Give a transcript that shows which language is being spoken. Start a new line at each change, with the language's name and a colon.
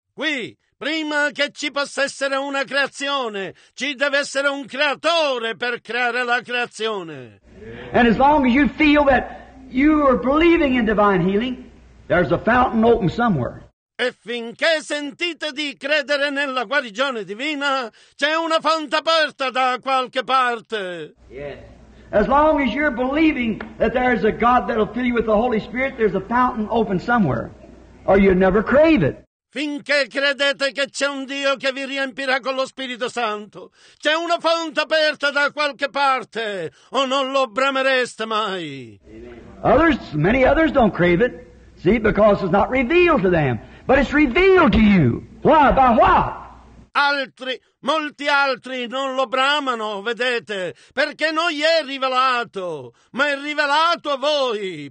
Italian: Qui, prima che ci possa essere una creazione, ci deve essere un creatore per creare la creazione.
English: And as long as you feel that you are believing in divine healing, there's a fountain open somewhere.
Italian: E finché sentite di credere nella guarigione divina, c'è una fonte aperta da qualche parte.
English: Yes. As long as you're believing that there's a God that'll fill you with the Holy Spirit, there's a fountain open somewhere, or you'll never crave it.
Italian: Finché credete che c'è un Dio che vi riempirà con lo Spirito Santo, c'è una fonte aperta da qualche parte, o non lo bramereste mai.
English: Others, many others don't crave it, see, because it's not revealed to them, but it's revealed to you. Why? By what?
Italian: Altri, molti altri non lo bramano, vedete, perché non gli è rivelato, ma è rivelato a voi.